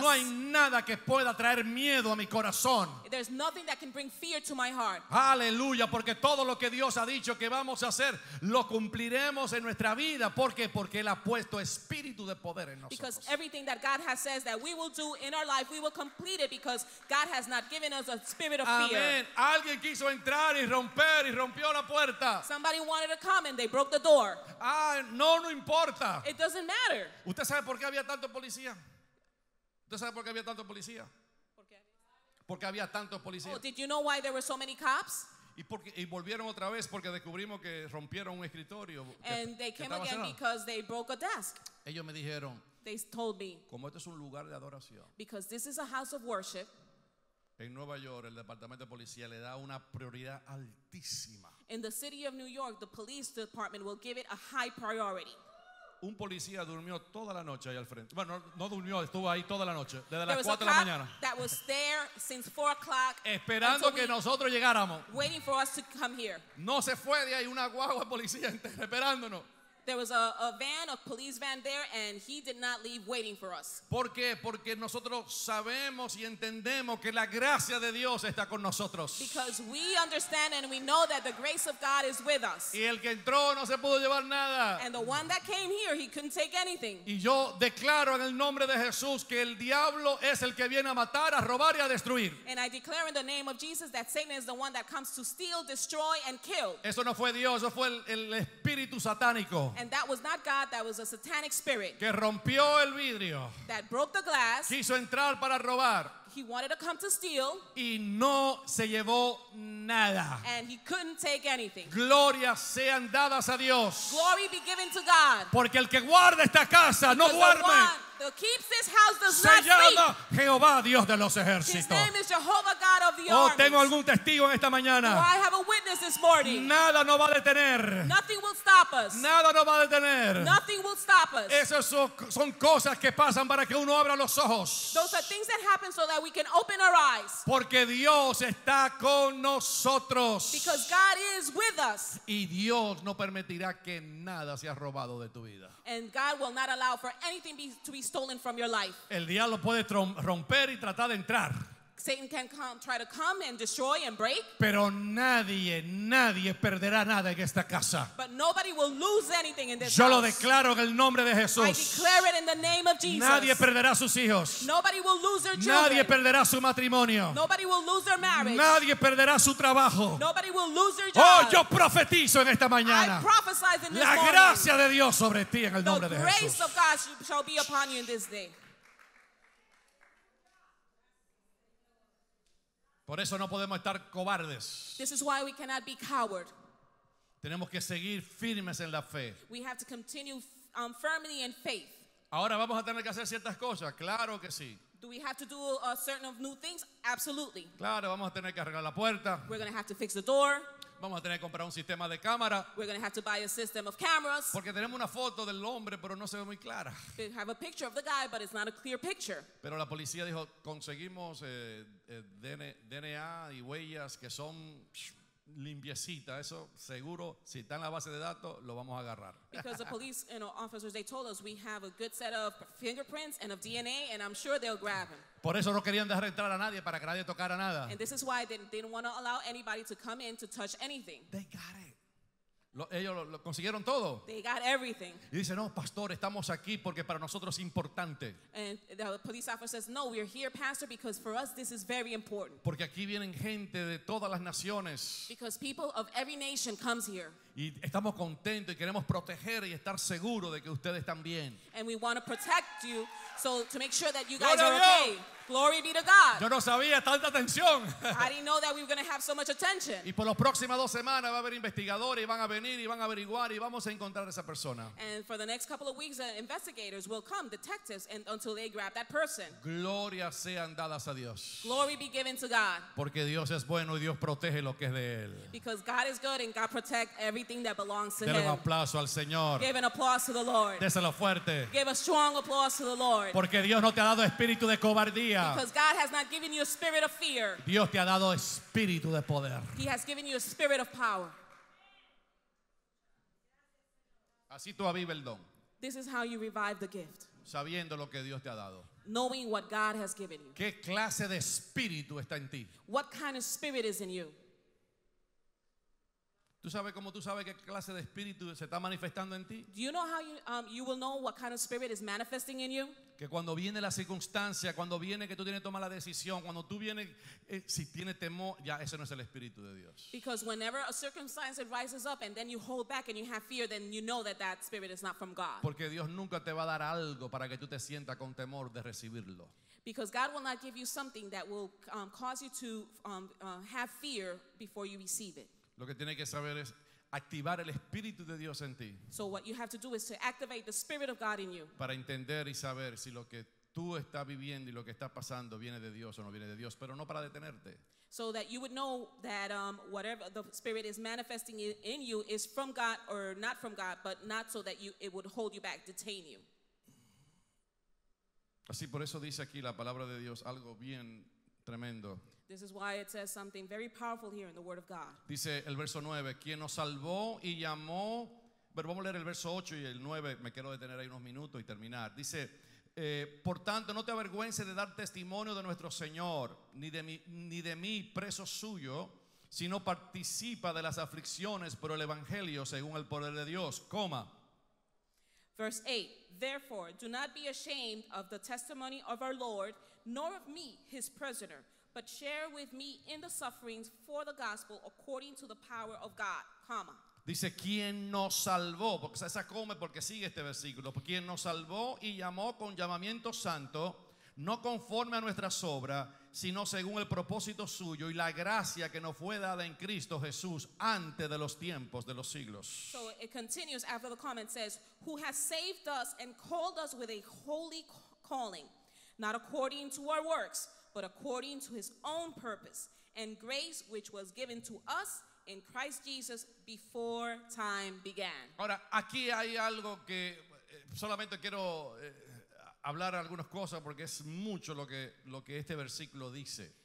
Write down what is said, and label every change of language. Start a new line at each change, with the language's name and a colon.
Spanish: No hay nada que pueda traer miedo a mi corazón.
English: There's nothing that can bring fear to my heart.
Spanish: Aleluya, porque todo lo que Dios ha dicho que vamos a hacer lo cumpliremos en nuestra vida. ¿Por qué? Porque Él ha puesto espíritu de poder en nosotros.
English: Because everything that God has said that we will do in our life, we will complete it because God has not given us a spirit of Amen. Fear.
Spanish: Alguien quiso entrar y romper y rompió la puerta.
English: Somebody wanted to come and they broke the door.
Spanish: Ah, no importa.
English: It doesn't matter.
Spanish: ¿Usted sabe por qué había tanto policía? ¿Usted sabe por qué había tanto policía? Porque había tantos policías.
English: Oh, did you know why there were so many cops?
Spanish: Y volvieron otra vez porque descubrimos que rompieron un escritorio.
English: And they came again because they broke a desk.
Spanish: Ellos me dijeron,
English: they told me,
Spanish: como esto es un lugar de adoración,
English: because this is a house of worship,
Spanish: en Nueva York el departamento de policía le da una prioridad altísima.
English: In the city of New York, the police department will give it a high priority.
Spanish: Un policía durmió toda la noche ahí al frente. Bueno, no durmió, estuvo ahí toda la noche, desde las 4 de la mañana.
English: That was there since 4 o'clock.
Spanish: Esperando que nosotros llegáramos.
English: Waiting for us to come here.
Spanish: No se fue de ahí una guagua policía entera, esperándonos.
English: There was a police van there, and he did not leave waiting for us.
Spanish: ¿Por qué? Porque nosotros sabemos y entendemos que la gracia de Dios está con nosotros.
English: Because we understand and we know that the grace of God is with us.
Spanish: Y el que entró no se pudo llevar nada.
English: And the one that came here, he couldn't take anything.
Spanish: Y yo declaro en el nombre de Jesús que el diablo es el que viene a matar, a robar y a destruir.
English: And I declare in the name of Jesus that Satan is the one that comes to steal, destroy, and kill.
Spanish: Eso no fue Dios, eso fue el espíritu satánico.
English: And that was not God, that was a satanic spirit.
Spanish: Que rompió el vidrio.
English: That broke the glass.
Spanish: Quiso entrar para robar.
English: He wanted to come to steal.
Spanish: Y no se llevó nada.
English: And he couldn't take anything.
Spanish: Glorias sean dadas a Dios.
English: Glory be given to God.
Spanish: Porque el que guarda esta casa no duerme.
English: Who keeps this house does
Spanish: se
English: not
Spanish: llama
English: sleep.
Spanish: Jehová, Dios de los ejércitos.
English: His name is Jehovah, God of the armies.
Spanish: Oh, tengo algún testigo en esta mañana.
English: Do I have a witness this morning?
Spanish: Nada nos va a detener.
English: Nothing will stop us.
Spanish: Nada nos va a detener.
English: Nothing will stop us.
Spanish: Esas son cosas que pasan para que uno abra los ojos.
English: Those are things that happen so that we can open our eyes.
Spanish: Porque Dios está con nosotros.
English: Because God is with us.
Spanish: Y Dios no permitirá que nada sea robado de tu vida.
English: And God will not allow for anything to be stolen from your life.
Spanish: El diablo puede romper y tratar de entrar.
English: Satan can come, try to come and destroy and break.
Spanish: Pero nadie, nadie perderá nada en esta casa.
English: But nobody will lose anything in this
Spanish: Yo
English: house.
Spanish: Lo declaro en el nombre de Jesús.
English: I declare it in the name of Jesus.
Spanish: Nadie perderá sus hijos.
English: Nobody will lose their children.
Spanish: Nadie perderá su matrimonio.
English: Nobody will lose their marriage.
Spanish: Nadie perderá su trabajo.
English: Nobody will lose their job.
Spanish: Oh, yo profetizo en esta mañana.
English: I prophesy in this morning.
Spanish: La gracia de Dios sobre ti en el nombre de Jesús.
English: The grace of God shall be upon you in this day.
Spanish: Por eso no podemos estar cobardes.
English: This is why we cannot be coward.
Spanish: Tenemos que seguir firmes en la fe.
English: We have to continue firmly in faith.
Spanish: Ahora vamos a tener que hacer ciertas cosas. Claro que sí.
English: Do we have to do a certain of new things? Absolutely.
Spanish: Claro, vamos a tener que arreglar la puerta.
English: We're going to have to fix the door.
Spanish: Vamos a tener que comprar un sistema de cámara.
English: We're going to have to buy a system of cameras.
Spanish: Porque tenemos una foto del hombre, pero no se ve muy clara.
English: We have a picture of the guy, but it's not a clear picture.
Spanish: Pero la policía dijo, conseguimos DNA y huellas que son limpiecitas. Eso seguro, si está en la base de datos, lo vamos a agarrar.
English: Because the police, you know, officers, they told us we have a good set of fingerprints and of DNA, and I'm sure they'll grab him.
Spanish: Por eso no querían dejar entrar a nadie para que nadie tocara nada.
English: And this is why they didn't want to allow anybody to come in to touch anything. They got it.
Spanish: Ellos lo consiguieron todo.
English: They got everything.
Spanish: Y dice, no, pastor, estamos aquí porque para nosotros es importante.
English: And the police officer says, no, we're here, pastor, because for us this is very important.
Spanish: Porque aquí vienen gente de todas las naciones.
English: Because people of every nation comes here.
Spanish: Y estamos contentos y queremos proteger y estar seguros de que ustedes están bien.
English: And we want to protect you. So to make sure that you guys are okay, glory be to God.
Spanish: Yo no sabía tanta atención.
English: I didn't know that we were going to have so much attention.
Spanish: Y por las próximas dos semanas va a haber investigadores y van a venir y van a averiguar y vamos a encontrar a esa persona.
English: And for the next couple of weeks, investigators will come, detectives, and until they grab that person.
Spanish: Gloria sean dadas a Dios.
English: Glory be given to God.
Spanish: Porque Dios es bueno y Dios protege lo que es de él.
English: Because God is good and God protects everything that belongs to
Spanish: Dele
English: him.
Spanish: Un aplauso al Señor.
English: Give an applause to the Lord.
Spanish: Déselo fuerte.
English: Give a strong applause to the Lord.
Spanish: Porque Dios no te ha dado espíritu de cobardía.
English: Because God has not given you a spirit of fear.
Spanish: Dios te ha dado espíritu de poder.
English: He has given you a spirit of power.
Spanish: Así tú avives el don.
English: This is how you revive the gift.
Spanish: Sabiendo lo que Dios te ha dado.
English: Knowing what God has given you.
Spanish: ¿Qué clase de espíritu está en ti?
English: What kind of spirit is in you?
Spanish: ¿Tú sabes cómo tú sabes qué clase de espíritu se está manifestando en ti?
English: Do you know how you will know what kind of spirit is manifesting in you?
Spanish: Que cuando viene la circunstancia, cuando viene que tú tienes que tomar la decisión, cuando tú vienes, si tienes temor, ya ese no es el espíritu de Dios.
English: Because whenever a circumstance arises up and then you hold back and you have fear, then you know that that spirit is not from God.
Spanish: Porque Dios nunca te va a dar algo para que tú te sientas con temor de recibirlo.
English: Because God will not give you something that will cause you to have fear before you receive it.
Spanish: Lo que tienes que saber es activar el Espíritu de Dios en ti.
English: So what you have to do is to activate the Spirit of God in you.
Spanish: Para entender y saber si lo que tú estás viviendo y lo que está pasando viene de Dios o no viene de Dios, pero no para detenerte.
English: So that you would know that whatever the Spirit is manifesting in you is from God or not from God, but not so that it would hold you back, detain you.
Spanish: Así por eso dice aquí la palabra de Dios algo bien tremendo.
English: This is why it says something very powerful here in the Word of God.
Spanish: Dice el verso 9, quien nos salvó y llamó Pero vamos a leer el verso 8 y el 9. Me quiero detener ahí unos minutos y terminar. Dice, por tanto, no te avergüences de dar testimonio de nuestro Señor, ni de mí, preso suyo, sino participa de las aflicciones por el Evangelio según el poder de Dios. Coma.
English: Verse 8, therefore, do not be ashamed of the testimony of our Lord, nor of me, his prisoner, but share with me in the sufferings for the gospel according to the power of God. Comma.
Spanish: Dice, ¿quién nos salvó? Porque esa come porque sigue este versículo. ¿Quién nos salvó y llamó con llamamiento santo, no conforme a nuestras obras, sino según el propósito suyo y la gracia que nos fue dada en Cristo Jesús antes de los tiempos de los siglos?
English: So it continues after the comment says, who has saved us and called us with a holy calling, not according to our works, but according to his own purpose and grace which was given to us in Christ Jesus before time began.
Spanish: Ahora, aquí hay algo que solamente quiero hablar algunas cosas porque es mucho lo que este versículo dice.